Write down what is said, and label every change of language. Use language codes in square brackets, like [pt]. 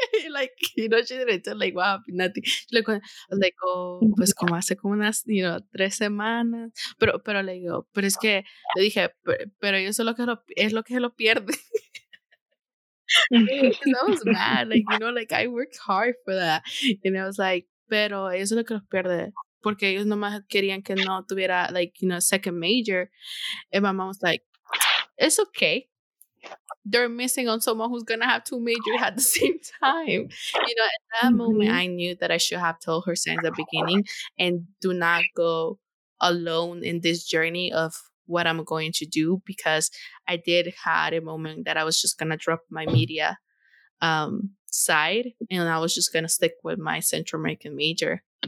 [en] Like, you know, she didn't tell, like, wow, nothing. She's like, oh, [es] pues, como hace como unas, you know, 3 semanas. Pero le digo, pero es que, le dije, pero eso es lo que se lo pierde. [en] Because I was mad. Like, you know, like, I worked hard for that. And I was like, [es] pero eso es lo que los pierde porque ellos nomás querían que no tuviera like, you know, [en] second major. And my mom was like, it's okay, they're missing on someone who's gonna have 2 majors at the same time, you know. At that moment I knew that I should have told her since the beginning and do not go alone in this journey of what I'm going to do, because I did have a moment that I was just gonna drop my media side and I was just gonna stick with my Central American major.